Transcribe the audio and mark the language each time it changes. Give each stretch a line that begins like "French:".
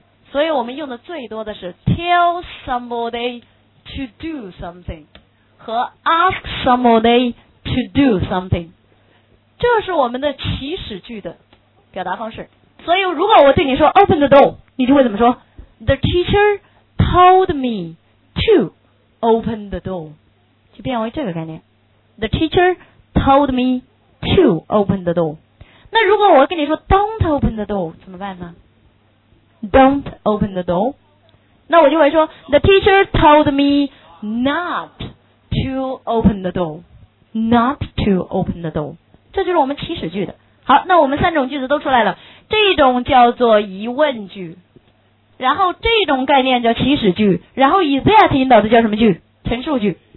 Chinese: 所以我们用的最多的是
English: tell somebody to do something
Chinese: 和
English: ask somebody to do something，
Chinese: 这是我们的祈使句的表达方式。所以如果我对你说
English: open the door，
Chinese: 你就会怎么说？
English: the teacher told me to open the door，
Chinese: 就变为这个概念，
English: the teacher told me to open the door。
Chinese: 那如果我跟你说
English: don't open the door
Chinese: 怎么办呢？
English: don't open the door，
Chinese: 那我就会说
English: the teacher told me not to open the door， not to open the door。
Chinese: 这就是我们祈使句的。好，那我们三种句子都出来了，这种叫做疑问句，然后这种概念叫祈使句，然后以 that 引导的叫什么句？陈述句。